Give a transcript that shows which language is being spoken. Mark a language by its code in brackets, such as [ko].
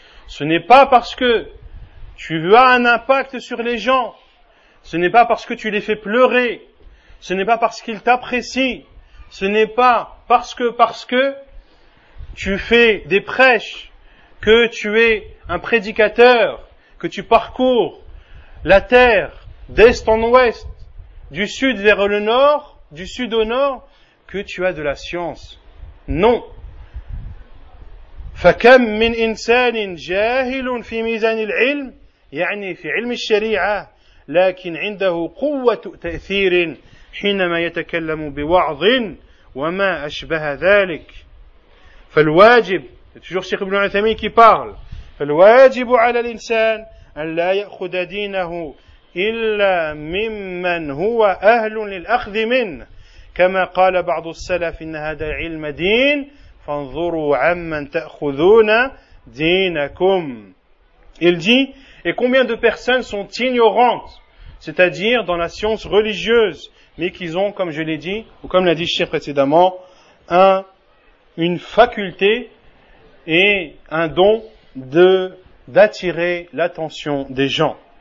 [fr] Ce n'est pas parce que tu as un impact sur les gens, ce n'est pas parce que tu les fais pleurer, ce n'est pas parce qu'ils t'apprécient, ce n'est pas parce que tu fais des prêches, que tu es un prédicateur, que tu parcours la terre d'est en ouest, du sud vers le nord, du sud au nord, que tu as de la science. Non. [ar] فَكَمْ مِنْ إِنْسَانٍ جَاهِلٌ فِي مِيزَانِ الْعِلْمِ يعني في علم الشريعة لكن عنده قوة تأثير حينما يتكلم بوعظ وما أشبه ذلك. فالواجب, [fr] c'est toujours Cheikh Ibn Uthaymin qui parle, [ar] فالواجب على الإنسان أن لا يأخذ دينه إلا ممن هو أهل للأخذ منه كما قال بعض السلف إن هذا علم دين فانظروا عمن تأخذون دينكم. [fr] Il dit, et combien de personnes sont ignorantes, c'est-à-dire dans la science religieuse, mais qu'ils ont, comme je l'ai dit, ou comme l'a dit le Cheikh précédemment, une faculté et un don d'attirer l'attention des gens.